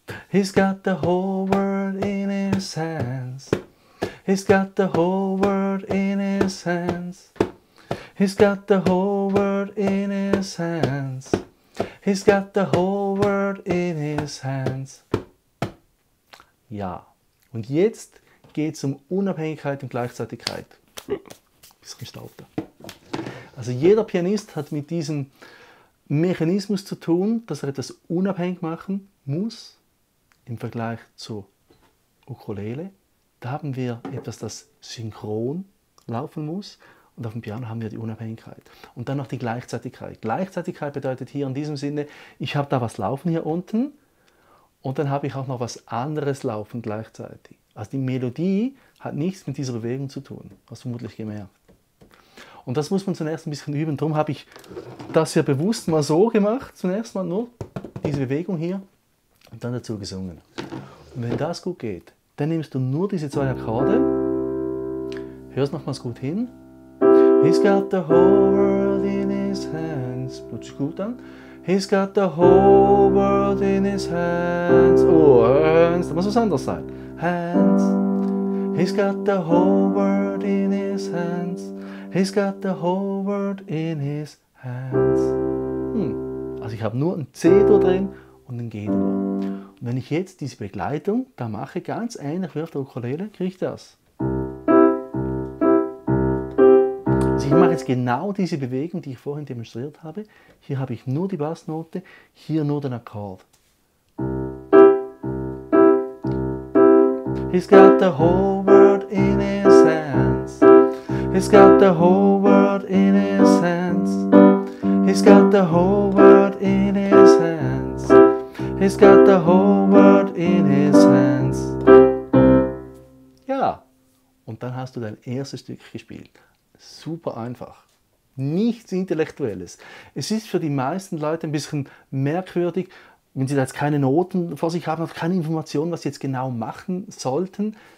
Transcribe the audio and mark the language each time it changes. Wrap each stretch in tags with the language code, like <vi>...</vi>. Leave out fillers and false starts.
<en>He's got the whole world in his hands. He's got the whole world in his hands. He's got the whole world in his hands. He's got the whole world in his hands.</en> <de>Ja, und jetzt geht es um Unabhängigkeit und Gleichzeitigkeit. Bisschen Staub da. Also jeder Pianist hat mit diesem Mechanismus zu tun, dass er etwas unabhängig machen muss im Vergleich zu Ukulele. Da haben wir etwas, das synchron laufen muss. Und auf dem Piano haben wir die Unabhängigkeit. Und dann noch die Gleichzeitigkeit. Gleichzeitigkeit bedeutet hier in diesem Sinne, ich habe da was laufen hier unten und dann habe ich auch noch was anderes laufen gleichzeitig. Also die Melodie hat nichts mit dieser Bewegung zu tun, hast du vermutlich gemerkt. Und das muss man zunächst ein bisschen üben. Darum habe ich das ja bewusst mal so gemacht, zunächst mal nur diese Bewegung hier und dann dazu gesungen. Und wenn das gut geht, dann nimmst du nur diese zwei Akkorde, hörst nochmals gut hin.</de> <en>He's got the whole world in his hands.</en> <de>Hört sich gut an.</de> <en>He's got the whole world in his hands. Oh, hands.</en> <de>Da muss was anderes sein.</de> <en>Hands. He's got the whole world in his hands. He's got the whole world in his hands.</en> <de>Also ich habe nur ein C-Dur drin und ein G-Dur. Und wenn ich jetzt diese Begleitung da mache, ganz ähnlich wie auf der Ukulele, kriege ich das. Ich mache jetzt genau diese Bewegung, die ich vorhin demonstriert habe. Hier habe ich nur die Bassnote, hier nur den Akkord.</de> <en>He's got the whole world in his hands. He's got the whole world in his hands. He's got the whole world in his hands. He's got the whole world in his hands.</en> <de>Ja, und dann hast du dein erstes Stück gespielt. Super einfach. Nichts Intellektuelles. Es ist für die meisten Leute ein bisschen merkwürdig, wenn sie da jetzt keine Noten vor sich haben, noch keine Informationen, was sie jetzt genau machen sollten.</de>